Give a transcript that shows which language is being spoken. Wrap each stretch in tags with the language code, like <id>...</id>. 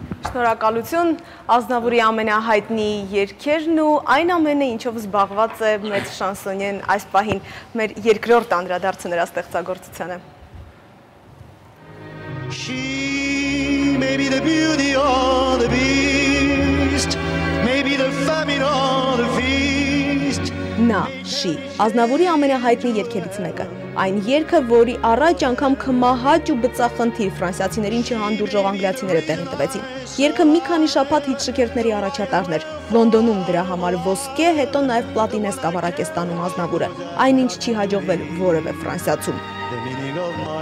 <hy>շնորհակալություն Ազնավուրի ամենահայտնի երգերն ու այն ամենը, ինչով զբաղված է մեծ շանսոնյեն այս պահին, մեր երկրորդ անդրադարձը նրա ստեղծագործությանը։</hy> <en>She may be the beauty of the beast, maybe the famine of the feast.</en> <hy>Նա, she, Ազնավուրի ամենահայտնի երգերից մեկը, այն երգը, որի առաջ անգամ քմահաճ ու բծախնդիր ֆրանսիացիներին չհանդուրժող անգլիացիները տեղի տվեցին։ Երգը մի քանի շաբաթ հիթ շքերթների առաջատարն էր Լոնդոնում, դրա համար ոսկե, հետո նաև պլատինե սկավառակ է ստանում Ազնավուրը, այնինչ չի հաջողվել որևէ ֆրանսիացում։</hy>